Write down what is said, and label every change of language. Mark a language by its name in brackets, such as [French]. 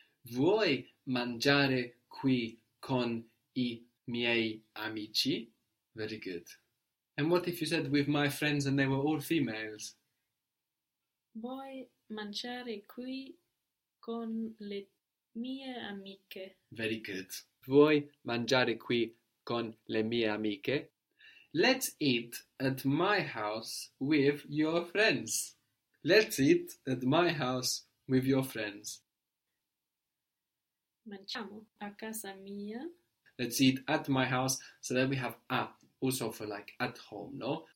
[Italian] Vuoi mangiare qui con I miei amici? [English] Very good. And what if you said with my friends and they were all females? [Italian] Vuoi mangiare qui con le mie amiche? [English] Very good. [Italian] Vuoi mangiare qui con le mie amiche? [English] Let's eat at my house with your friends. Let's eat at my house with your friends. [Italian] Mangiamo a casa mia. [English] Let's eat at my house. So then we have a, also for like at home, no?